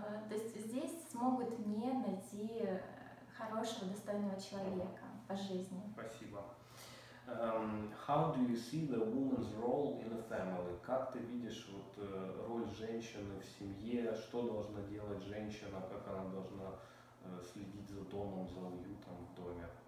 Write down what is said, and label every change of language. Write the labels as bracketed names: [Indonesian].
[Russian] То есть здесь смогут мне найти хорошего, достойного человека по жизни. Спасибо. [English] How do you see the woman's role in a family? [Russian] Как ты видишь вот роль женщины в семье? Что должна делать женщина? Как она должна следить за домом, за уютом в доме?